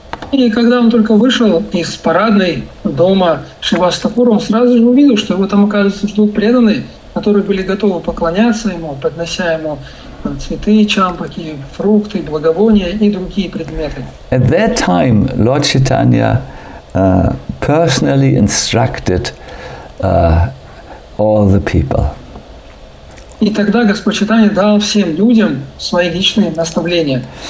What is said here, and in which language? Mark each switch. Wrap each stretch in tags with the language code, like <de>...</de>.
<ru>И когда он только вышел из парадной дома Шривас Такура, он сразу же увидел, что его там, оказывается, ждут преданные, которые были готовы поклоняться ему, поднося ему цветы, чампаки, фрукты, благовония и другие предметы.</ru> <en>At that time, Lord Chaitanya personally instructed all the people.</en> <ru>И тогда Господь Чайтанья дал всем людям свои личные наставления.</ru>